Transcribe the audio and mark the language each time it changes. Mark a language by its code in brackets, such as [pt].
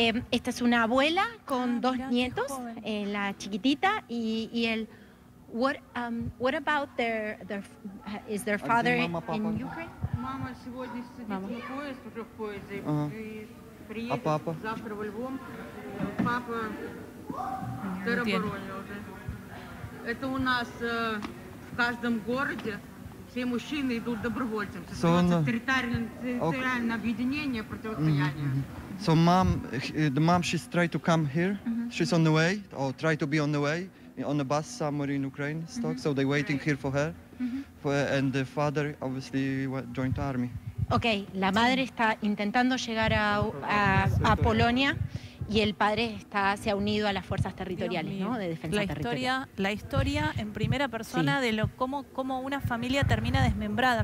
[es] Esta es una abuela con dos nietos, la chiquitita, y el... [en] What about their is their father [ru] мама, [en] in Ukraine? [ru] Мама сегодня сидит на поезд, уже в поезде. Uh-huh. Приедет а папа? Завтра во Львом. Папа в теробороне уже. Это у нас в каждом городе все мужчины идут добровольцем. Создается территориальное объединение, противостояние. [en] So mom, the mom, she's tried to come here. Mm-hmm. She's on the way, or try to be on the way, on a bus somewhere in Ukraine, stuck. Mm-hmm. So they're waiting here for her. Mm-hmm. And the father obviously joined the army. [es] Okay, la madre está intentando llegar a Polonia y el padre se ha unido a las fuerzas territoriales, ¿no? De defensa territorial. La historia en primera persona de cómo una familia termina desmembrada.